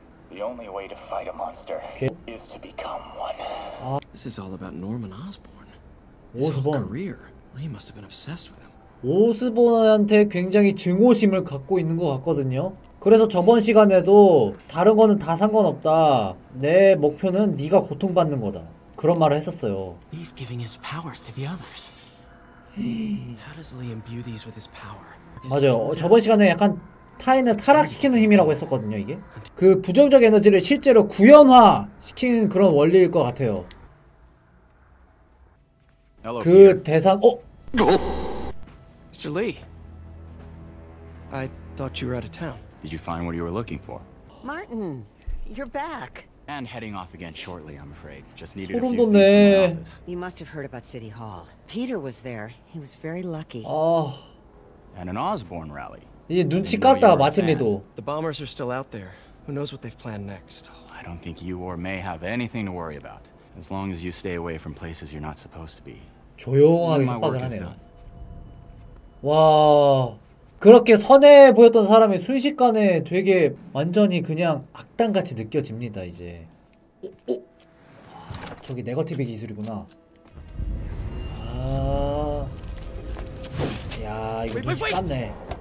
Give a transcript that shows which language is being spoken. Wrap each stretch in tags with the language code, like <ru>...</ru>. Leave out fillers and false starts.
<en>The only way to fight a monster is to become one. This is all about Norman Osborn. His whole career. He must have been obsessed with him.</en> <ko>오스본한테 굉장히 증오심을 갖고 있는 것 같거든요. 그래서 저번 시간에도 다른 거는 다 상관없다. 내 목표는 네가 고통받는 거다. 그런 말을 했었어요.</ko> <en>He's giving his powers to the others. How does Lee imbue these with his power?</en> <ko>맞아요. 저번 시간에 약간 타인을 타락시키는 힘이라고 했었거든요, 이게. 그 부정적 에너지를 실제로 구현화시키는 그런 원리일 것 같아요. 그 대상 어?</ko> <en>Mr. Lee. I thought you were out of town. Did you find what you were looking for? Martin, you're back. And heading off again shortly, I'm afraid. Just needed a few things in the office. You must have heard about City Hall. Peter was there. He was very lucky. Oh. And an Osborn rally.</en> <ko>이제 눈치 깠다 마틴이도.</ko> <en>The bombers are still out there. Who knows what they've planned next? I don't think you or May have anything to worry about. As long as you stay away from places you're not supposed to be.</en> <ko>조용하게 협박을 하네요. 와, 그렇게 선해 보였던 사람이 순식간에 되게 완전히 그냥 악당같이 느껴집니다. 이제 저기 네거티브 기술이구나. 아, 야, 이거 눈치 깠네.</ko>